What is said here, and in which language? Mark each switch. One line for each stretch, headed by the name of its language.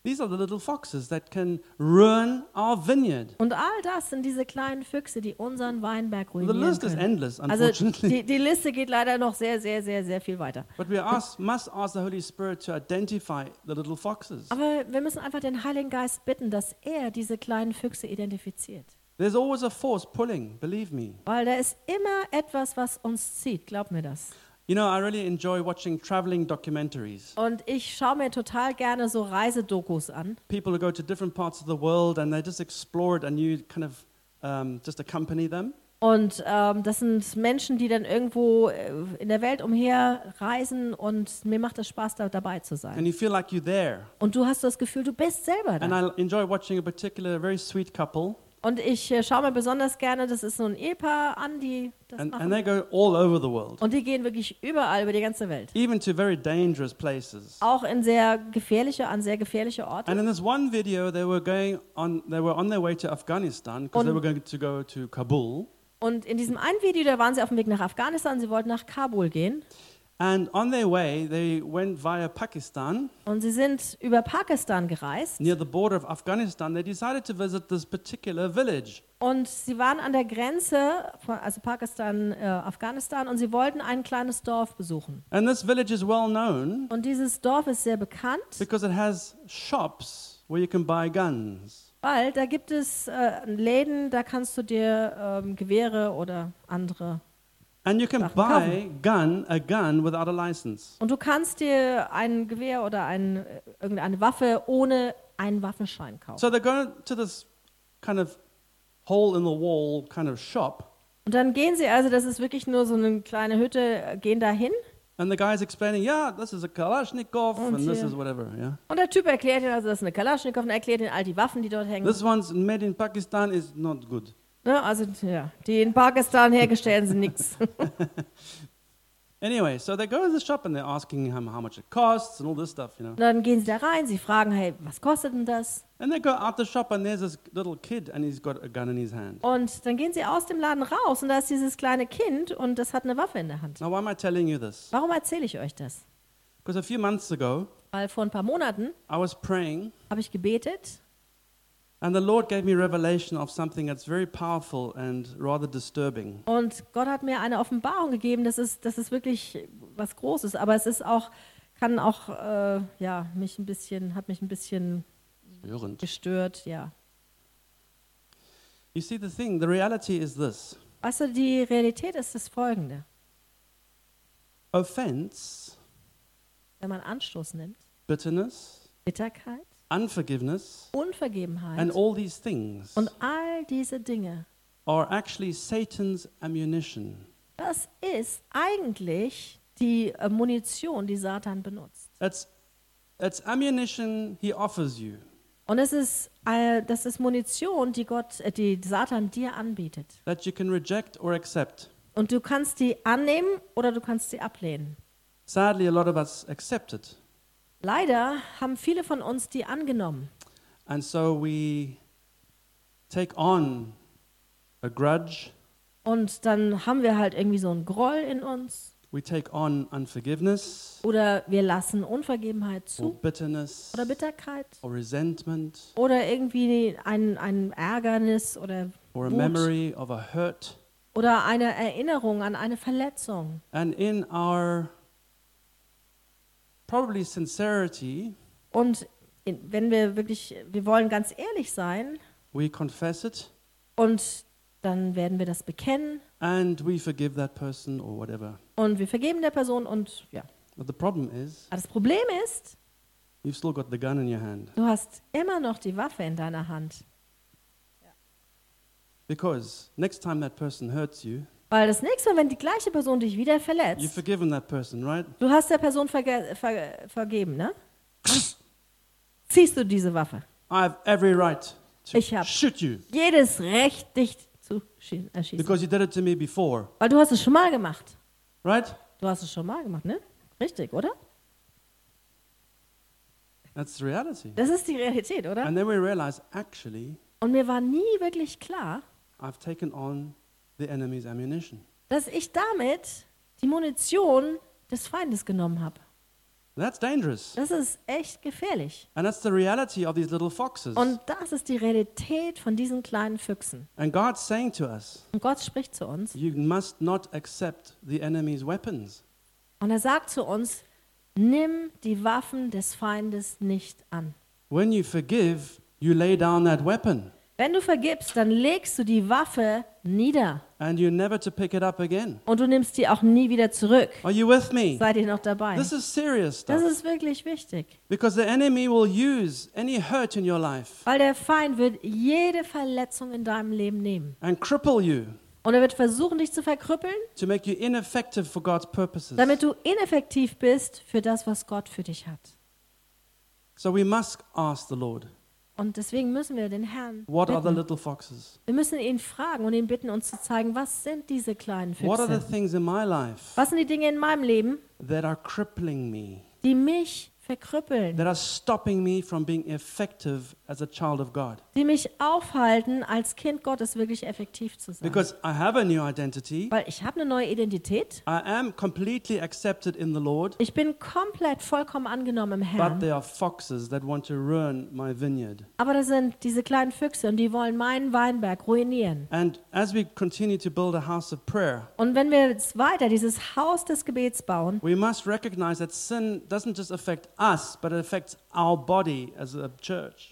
English: These are the little foxes that can ruin our vineyard.
German: Und all das sind diese kleinen Füchse, die unseren Weinberg ruinieren können.
English: Well, the list is endless, unfortunately.
German: Also die Liste geht leider noch sehr, sehr, sehr, sehr viel weiter.
English: But we must ask the Holy Spirit to identify the little foxes.
German: Aber wir müssen einfach den Heiligen Geist bitten, dass er diese kleinen Füchse identifiziert.
English: There's always a force pulling, believe me.
German: Weil da ist immer etwas, was uns zieht, glaub mir das.
English: You know, I really enjoy watching traveling documentaries.
German: Und ich schaue mir total gerne so Reisedokus an.
English: People who go to different parts of the world and they just explore it and you kind of just accompany them.
German: Und das sind Menschen, die dann irgendwo in der Welt umher reisen und mir macht es Spaß, da dabei zu sein.
English: And you feel like you're there.
German: Und du hast das Gefühl, du bist selber da.
English: And I enjoy watching a particular very sweet couple.
German: Und ich schaue mir besonders gerne, das ist so ein Ehepaar an, die das
English: and they go all over the world.
German: Und die gehen wirklich überall, über die ganze Welt.
English: Even to very dangerous places.
German: Auch in sehr gefährliche, an sehr gefährliche Orte.
English: And in this one video, they were on their way to Afghanistan, because they were going to go to Kabul.
German: Und in diesem einen Video, da waren sie auf dem Weg nach Afghanistan, sie wollten nach Kabul gehen.
English: And on their way, they went via Pakistan.
German: Und sie sind über Pakistan gereist.
English: Near the border of Afghanistan, they decided to visit this particular village.
German: Und sie waren an der Grenze von also Pakistan Afghanistan und sie wollten ein kleines Dorf besuchen.
English: And this village is well known.
German: Und dieses Dorf ist sehr bekannt.
English: Because it has shops where you can buy guns.
German: Weil da gibt es Läden, da kannst du dir Gewehre oder andere.
English: And you can buy a gun without a license.
German: Und du kannst dir ein Gewehr oder irgendeine Waffe ohne einen Waffenschein kaufen.
English: So they go to this kind of hole in the wall kind of shop.
German: Und dann gehen sie also, das ist wirklich nur so eine kleine Hütte, gehen dahin.
English: And the guy is explaining, yeah, this is a Kalashnikov and this is whatever, yeah.
German: Und der Typ erklärt ihnen also, das ist eine Kalashnikov und erklärt ihnen all die Waffen, die dort hängen.
English: This one's made in Pakistan is not good.
German: Ja, also ja, die in Pakistan hergestellten sind nichts.
English: Anyway, so they go to the shop and they're asking him how much it costs and all this stuff, you know.
German: Dann gehen sie da rein, sie fragen, hey, was kostet denn das?
English: And they go out the shop and there's this little kid and he's got a gun in his hand.
German: Und dann gehen sie aus dem Laden raus und da ist dieses kleine Kind und das hat eine Waffe in der Hand.
English: Now why am I telling you this?
German: Warum erzähle ich euch das?
English: Because a few months ago,
German: weil vor ein paar Monaten,
English: I was praying,
German: habe ich gebetet.
English: And the Lord gave me revelation of something that's very powerful and rather disturbing.
German: Und Gott hat mir eine Offenbarung gegeben, das ist wirklich was Großes, aber es ist auch kann auch ja, mich ein bisschen hat mich ein bisschen störend gestört, ja.
English: You see the thing, the reality is this.
German: Weißt du, die Realität ist das folgende.
English: Offense,
German: wenn man Anstoß nimmt.
English: Bitterness,
German: Bitterkeit.
English: Unforgiveness,
German: Unvergebenheit,
English: and all these things,
German: und all diese Dinge,
English: are actually Satan's ammunition.
German: Das ist eigentlich die Munition, die Satan benutzt.
English: It's ammunition he offers you.
German: Und es ist das ist Munition, die Gott, die Satan dir anbietet.
English: That you can reject or accept.
German: Und du kannst die annehmen oder du kannst sie ablehnen.
English: Sadly, a lot of us accept it.
German: Leider haben viele von uns die angenommen.
English: And so we take on a grudge.
German: Und dann haben wir halt irgendwie so einen Groll in uns.
English: We take on unforgiveness.
German: Oder wir lassen Unvergebenheit zu.
English: Or bitterness.
German: Oder Bitterkeit.
English: Or resentment.
German: Oder irgendwie ein Ärgernis oder Wut.
English: Or a memory of a hurt.
German: Oder eine Erinnerung an eine Verletzung.
English: And in our probably sincerity.
German: Und wenn wir wirklich, wir wollen ganz ehrlich sein.
English: We confess it.
German: Und dann werden wir das bekennen.
English: And we forgive that person or whatever.
German: Und wir vergeben der Person und ja.
English: But the problem is.
German: Aber das Problem ist.
English: You've still got the gun in your hand.
German: Du hast immer noch die Waffe in deiner Hand.
English: Because next time that person hurts you.
German: Weil das nächste Mal, wenn die gleiche Person dich wieder verletzt,
English: you've forgiven that person, right?
German: Du hast der Person vergeben, ne? Ziehst du diese Waffe.
English: I have every right to
German: ich habe jedes Recht, dich zu erschießen.
English: Because you did it to me before.
German: Weil du hast es schon mal gemacht.
English: Right?
German: Du hast es schon mal gemacht, ne? Richtig, oder?
English: That's the reality.
German: Das ist die Realität, oder?
English: And then we realize, actually,
German: und mir war nie wirklich klar,
English: I've taken on the enemy's ammunition.
German: Dass ich damit die Munition des Feindes genommen habe.
English: That's dangerous.
German: Das ist echt gefährlich.
English: And that's the reality of these little foxes.
German: Und das ist die Realität von diesen kleinen Füchsen.
English: And God's saying to us,
German: und Gott spricht zu uns,
English: you must not accept the enemy's weapons.
German: Und er sagt zu uns, nimm die Waffen des Feindes nicht an.
English: When you forgive, you lay down that weapon.
German: Wenn du vergibst, dann legst du die Waffe nieder.
English: And you're never to pick it up again.
German: Und du nimmst die auch nie wieder zurück.
English: Are you with me?
German: Seid ihr noch dabei?
English: This is serious stuff.
German: Das ist wirklich wichtig.
English: Because the enemy will use any hurt in your life.
German: Weil der Feind wird jede Verletzung in deinem Leben nehmen.
English: And cripple you.
German: Und er wird versuchen, dich zu verkrüppeln.
English: To make you ineffective for God's purposes.
German: Damit du ineffektiv bist für das, was Gott für dich hat.
English: So we must ask the Lord.
German: Und deswegen müssen wir den Herrn bitten.
English: What are the little foxes?
German: Wir müssen ihn fragen und ihn bitten, uns zu zeigen, was sind diese kleinen Füchse?
English: What are the things in my life,
German: was sind die Dinge in meinem Leben,
English: that are crippling me,
German: die mich verkrüppeln,
English: that are stopping me from being effective as a child of God?
German: Die mich aufhalten, als Kind Gottes wirklich effektiv zu sein.
English: Because I have a new identity.
German: Weil ich habe eine neue Identität.
English: I am completely accepted in the Lord.
German: Ich bin komplett vollkommen angenommen im Herrn.
English: But there are foxes that want to ruin my vineyard.
German: Aber da sind diese kleinen Füchse und die wollen meinen Weinberg ruinieren.
English: And as we continue to build a house of prayer,
German: und wenn wir jetzt weiter dieses Haus des Gebets bauen,
English: we must recognize that sin doesn't just affect us, but it affects our body as a church.